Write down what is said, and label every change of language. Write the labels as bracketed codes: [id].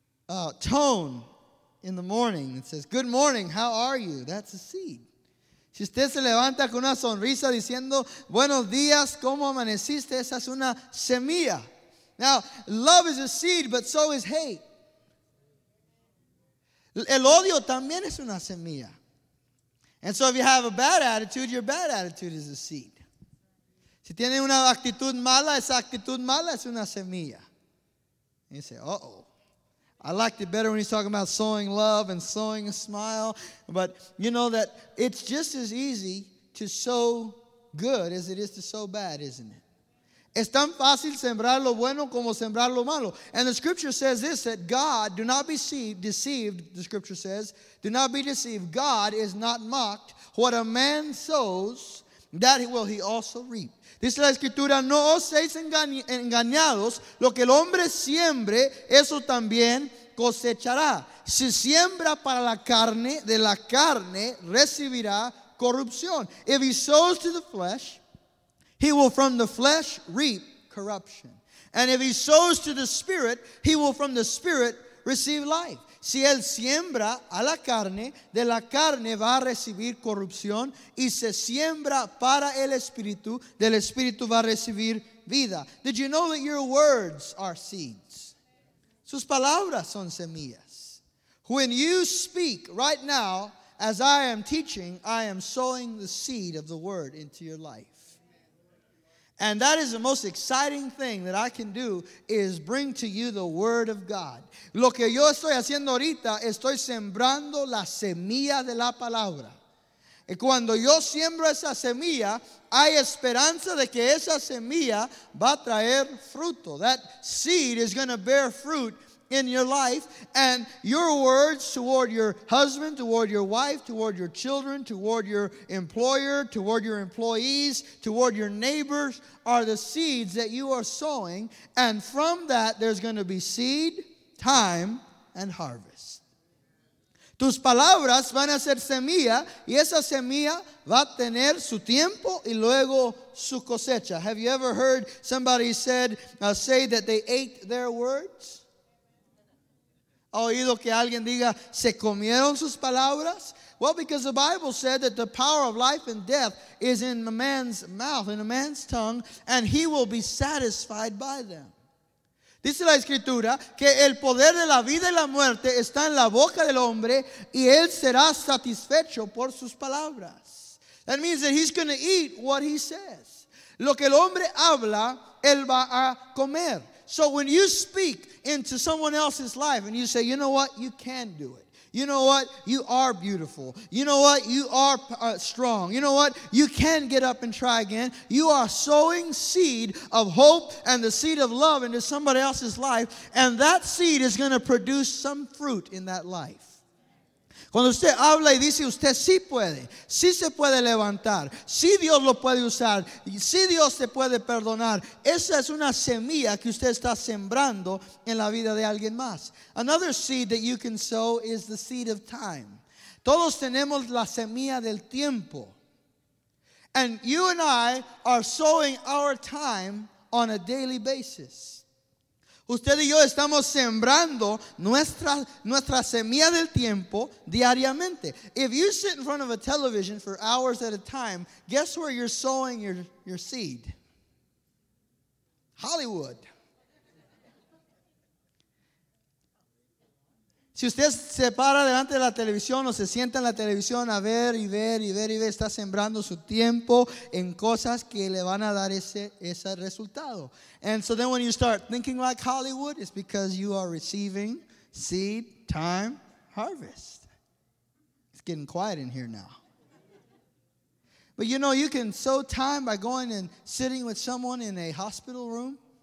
[en] A happy tone in the morning that says, good morning, how are you? That's a seed. [es] Si usted se levanta con una sonrisa diciendo, buenos días, ¿cómo amaneciste? Esa es una semilla. [en] Now, love is a seed, but so is hate. [es] El odio también es una semilla. [en] And so if you have a bad attitude, your bad attitude is a seed. [es] Si tiene una actitud mala es una semilla. [en] And you say, uh-oh. I liked it better when he's talking about sowing love and sowing a smile. But you know that it's just as easy to sow good as it is to sow bad, isn't it? [es] Es tan fácil sembrar lo bueno como sembrar lo malo. [en] And the scripture says this, that God, do not be deceived, the scripture says, do not be deceived. God is not mocked. What a man sows, that will he also reap. [es] Dice la escritura, no os seáis engañados, lo que el hombre siembre, eso también cosechará. Si siembra para la carne, de la carne recibirá corrupción. [en] If he sows to the flesh, he will from the flesh reap corruption. And if he sows to the spirit, he will from the spirit receive life. [es] Si él siembra a la carne, de la carne va a recibir corrupción. Y se siembra para el espíritu, del espíritu va a recibir vida. [en] Did you know that your words are seeds? [es] Sus palabras son semillas. [en] When you speak right now, as I am teaching, I am sowing the seed of the word into your life. And that is the most exciting thing that I can do, is bring to you the word of God. [es] Lo que yo estoy haciendo ahorita, estoy sembrando la semilla de la palabra. Y cuando yo siembro esa semilla, hay esperanza de que esa semilla va a traer fruto. [en] That seed is going to bear fruit in your life. And your words toward your husband, toward your wife, toward your children, toward your employer, toward your employees, toward your neighbors are the seeds that you are sowing. And from that, there's going to be seed, time, and harvest. [es] Tus palabras van a ser semilla, y esa semilla va a tener su tiempo y luego su cosecha. [en] Have you ever heard somebody say that they ate their words? [es] ¿Ha oído que alguien diga, se comieron sus palabras? [en] Well, because the Bible said that the power of life and death is in a man's mouth, in a man's tongue, and he will be satisfied by them. [es] Dice la escritura que el poder de la vida y la muerte está en la boca del hombre y él será satisfecho por sus palabras. [en] That means that he's going to eat what he says. [es] Lo que el hombre habla, él va a comer. [en] So when you speak into someone else's life and you say, you know what, you can do it. You know what? You are beautiful. You know what? You are strong. You know what? You can get up and try again. You are sowing seed of hope and the seed of love into somebody else's life, and that seed is going to produce some fruit in that life. [es] Cuando usted habla y dice, usted sí puede, sí se puede levantar, sí Dios lo puede usar, sí Dios te puede perdonar, esa es una semilla que usted está sembrando en la vida de alguien más. [en] Another seed that you can sow is the seed of time. [es] Todos tenemos la semilla del tiempo. [en] And you and I are sowing our time on a daily basis. [es] Usted y yo estamos sembrando nuestra semilla del tiempo diariamente. [en] If you sit in front of a television for hours at a time, guess where you're sowing your seed? Hollywood. [es] Si usted se para delante de la televisión o se sienta en la televisión a ver y ver y ver y ver, está sembrando su tiempo en cosas que le van a dar ese resultado. [en] And so then when you start thinking like Hollywood, it's because you are receiving seed time harvest. It's getting quiet in here now. But you know, you can sow time by going and sitting with someone in a hospital room.